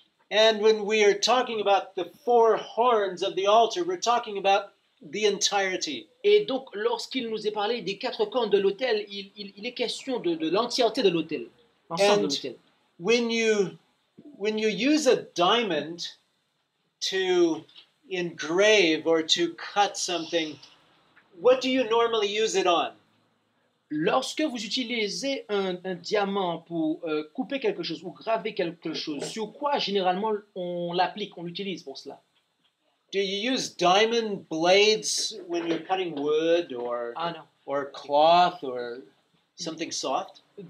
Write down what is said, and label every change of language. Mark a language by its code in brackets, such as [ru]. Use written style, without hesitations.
[en] And when we are talking about the four horns of the altar, we're talking about the entirety. [fr] Et donc, lorsqu'il nous est parlé des quatre cornes de l'autel, il est question de l'entièreté de l'autel, l'ensemble [en] and [fr] de l'autel. [en] When you use a diamond to engrave or to cut something, what do you normally use it on? [fr] Lorsque vous utilisez un diamant pour couper quelque chose ou graver quelque chose, sur quoi généralement on l'applique, on l'utilise pour cela? [en] Do you use diamond blades when you're cutting wood or or cloth or something soft?